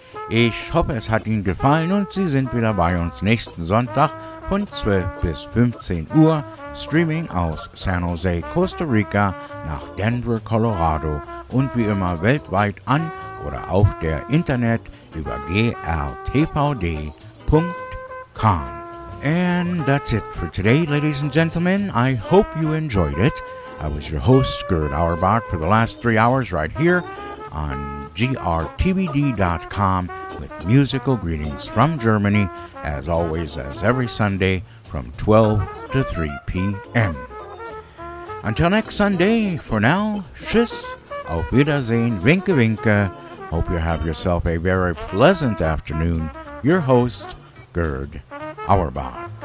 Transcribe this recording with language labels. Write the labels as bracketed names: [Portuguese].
[German] Ich hoffe, es hat Ihnen gefallen und Sie sind wieder bei uns nächsten Sonntag von 12 bis 15 Uhr. Streaming aus San Jose, Costa Rica nach Denver, Colorado und wie immer weltweit an oder auf der Internet über grtvd.com. [English] And that's it for today, ladies and gentlemen. I hope you enjoyed it. I was your host, Gerd Auerbach, for the last 3 hours right here on grtvd.com with musical greetings from Germany, as always, as every Sunday from 12 to 3 p.m. Until next Sunday, for now, [German] tschüss, auf Wiedersehen, winke, winke. [English] Hope you have yourself a very pleasant afternoon. Your host, Gerd Auerbach.